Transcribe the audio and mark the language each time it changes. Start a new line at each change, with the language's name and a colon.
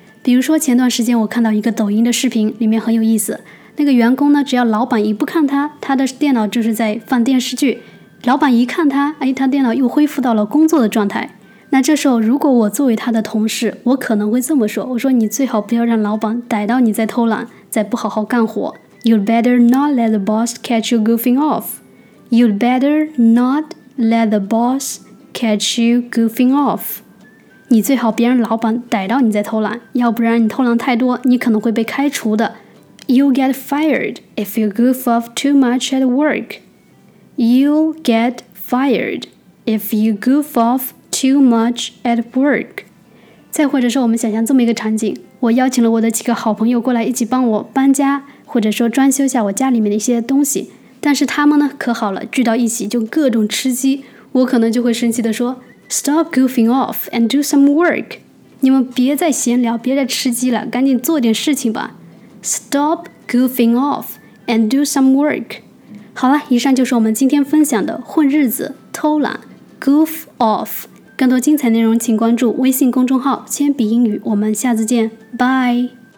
Chinese: 比如说前段时间我看到一个抖音的视频，里面很有意思，那个员工呢，只要老板一不看他，他的电脑就是在放电视剧，老板一看他，哎，他电脑又恢复到了工作的状态。那这时候如果我作为他的同事，我可能会这么说，我说你最好不要让老板逮到你在偷懒，在不好好干活。
English: You'd better not let the boss catch you goofing off. You'd better not let the boss catch you goofing off.
Chinese: 你最好别让老板逮到你在偷懒，要不然你偷懒太多，你可能会被开除的。
English: You'll get fired if you goof off too much at work. You'll get fired if you goof offToo much at work.
Chinese: 再或者说我们想象这么一个场景，我邀请了我的几个好朋友过来一起帮我搬家，或者说装修下我家里面的一些东西，但是他们呢可好了，聚到一起就各种吃鸡，我可能就会生气地说
English: Stop goofing off and do some work.
Chinese: 你们别再闲聊，别再吃鸡了，赶紧做点事情吧。
English: Stop goofing off and do some work.
Chinese: 好了，以上就是我们今天分享的混日子、偷懒、goof off。更多精彩内容请关注微信公众号铅笔英语，我们下次见，拜。